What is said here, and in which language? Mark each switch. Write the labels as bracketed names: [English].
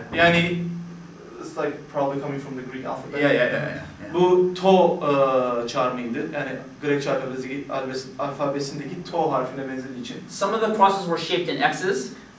[English] Yani it's like probably coming from the Greek alphabet. Yeah. [Turkish] Bu to çarmıhıydı. Yani Grek çarmıhı alfabesindeki to harfine benzediği için. [English] Some of the crosses were shaped in X's.